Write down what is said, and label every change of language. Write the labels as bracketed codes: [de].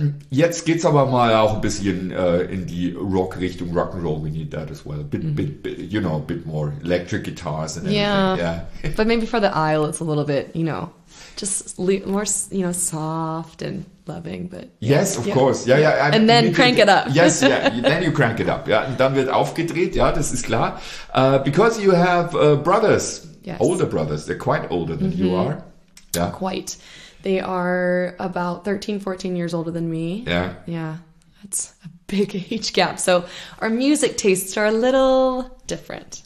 [de] Jetzt geht's aber mal auch ein bisschen in die Rock-Richtung, Rock'n'Roll, [en] we need that as well. A bit more electric guitars and everything. Yeah. Yeah. But maybe for the aisle, it's a little bit, you know, just more, you know, soft and loving, but... Yes, of course. Yeah, yeah. And then crank it up. Yes, yeah. Then you crank it up. Yeah. [de] Und dann wird aufgedreht, ja, das ist klar. [en] Because you have brothers, yes. Older brothers, they're quite older than you are. Yeah. Quite. They are about 13, 14 years older than me. Yeah. Yeah. That's a big age gap. So our music tastes are a little different.